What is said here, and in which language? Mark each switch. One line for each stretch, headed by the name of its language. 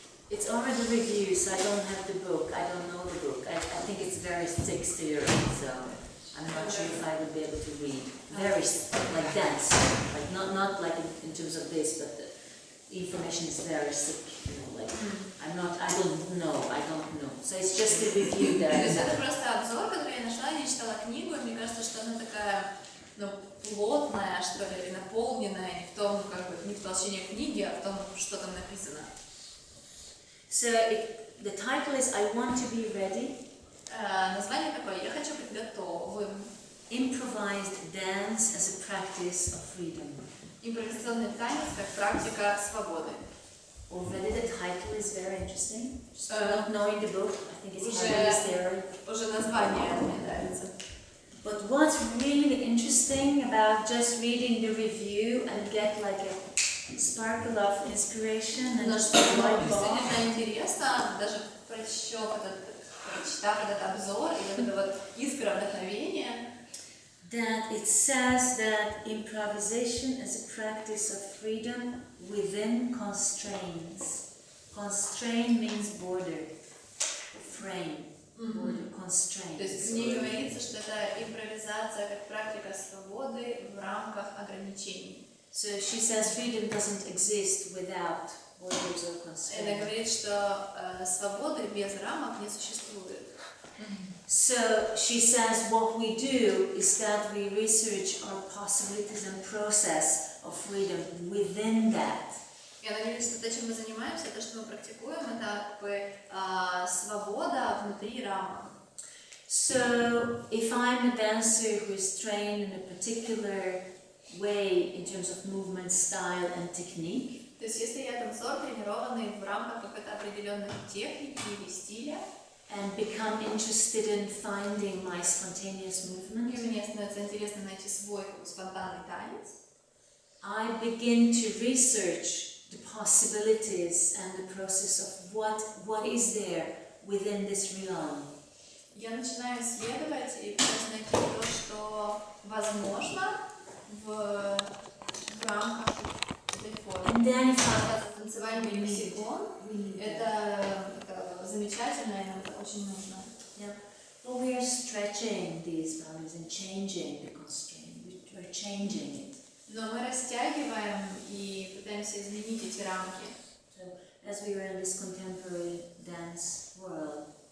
English: It's already reviewed, so I don't have the book. I don't know the book. I think it's very thick theory, so. I'm not sure if I would be able to read very like dense, like not like in terms of this, but the information is very thick. You know, like I don't know. So it's just a review that.
Russian: Это просто обзор, который я нашла. Я читала книгу, и мне кажется, что она такая, ну, плотная, что ли, наполненная не в том, как бы, не в толщине книги, а в том, что там написано.
English: So the title is "I Want to Be Ready."
Russian: Название такое, я хочу быть готовым.
English: Improvised dance as a practice of freedom.
Russian: Импровизационный танец как практика свободы.
English: Already the title is very interesting. Not knowing the book, I think it's
Russian: уже,
English: highly scary.
Russian: Уже название мне нравится.
English: But what's really interesting about just reading the review and get like a sparkle of inspiration and just like off.
Russian: Но что действительно интересно, даже прочитав этот обзор и вот эта вот искра вдохновения.
English: That it says that improvisation is a practice of freedom within constraints. Constrain means border, frame, border, constraint.
Russian: То есть в ней говорится, что это импровизация как практика свободы в рамках ограничений.
English: So she says freedom doesn't exist without borders or constraints.
Russian: Она говорит, что свободы без рамок не существует.
English: So she says what we do is that we research our possibilities and process of freedom within that.
Russian: И она говорит, что то, чем мы занимаемся, то, что мы практикуем, это как бы свобода внутри рамок.
English: So if I'm a dancer who is trained in a particular way in terms of movement, style and technique.
Russian: То есть если я танцор, тренированный в рамках какой-то определенной техники или стиля.
English: And become interested in finding my spontaneous movement.
Russian: И мне становится интересно найти свой спонтанный танец.
English: I begin to research the possibilities and the process of what is there within this realm.
Russian: Я начинаю исследовать и пытаюсь найти то, что возможно в рамках этой формы.
English: And then if
Russian: танцевальный лексикон, это замечательно и это очень нужно.
English: Yeah. But we are stretching these values and changing the constraint. We are changing it.
Russian: Но мы растягиваем и пытаемся изменить эти рамки.
English: So, as we are in this contemporary dance world,